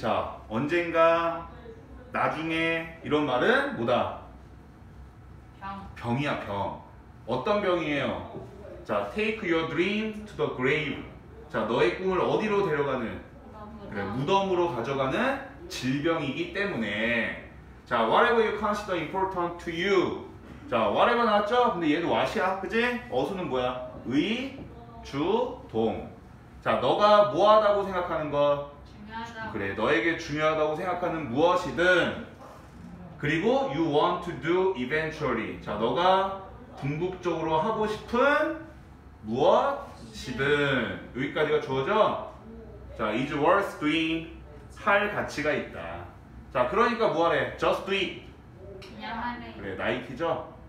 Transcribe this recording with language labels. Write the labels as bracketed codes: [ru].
[ko] 자 언젠가 나중에 이런 말은 뭐다? 병이야 병. 어떤 병이에요? 자 [en] take your dream to the grave. [ko] 자 너의 꿈을 어디로 데려가는? 그래, 무덤으로 가져가는 질병이기 때문에. [en] 자 whatever you consider important to you. [ko] 자 whatever 나왔죠? 근데 얘도 what이야 그지? 어수는 뭐야? 의, 주, 동. 자 너가 뭐하다고 생각하는 것? 중요하다. 그래 너에게 중요하다고 생각하는 무엇이든. 그리고 [en] you want to do eventually. [ko] 자 너가 궁극적으로 하고 싶은 무엇이든. 여기까지가 주어져. 자 [en] is worth doing. [ko] 할 가치가 있다. 자 그러니까 뭐하래? [en] Just do it. [ko] 그냥 하래. 그래 나이키죠?